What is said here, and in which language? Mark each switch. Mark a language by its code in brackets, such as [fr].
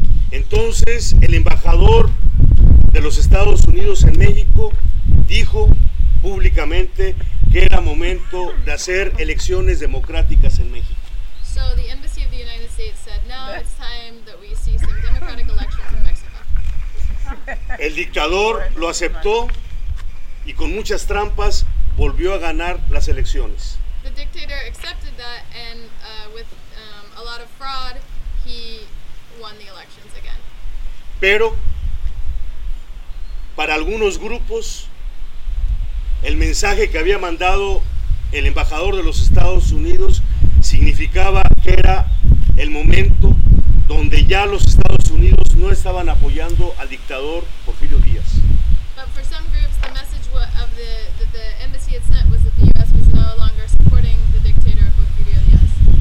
[es] Entonces, el embajador de los Estados Unidos en México dijo públicamente que era momento de hacer elecciones democráticas en México. [en] So the embassy of the United States said, now it's time that we see some democratic elections in Mexico. [es] El dictador lo aceptó y con muchas trampas volvió a ganar las elecciones. [en] The dictator accepted that and with a lot of fraud, he won the elections again. [es] Pero para algunos grupos, el mensaje que había mandado el embajador de los Estados Unidos significaba que era el momento donde ya los Estados Unidos no estaban apoyando al dictador Porfirio Díaz. [en] But for some groups, the message of the embassy had sent was that the U.S. was no longer supporting the dictator Porfirio Díaz.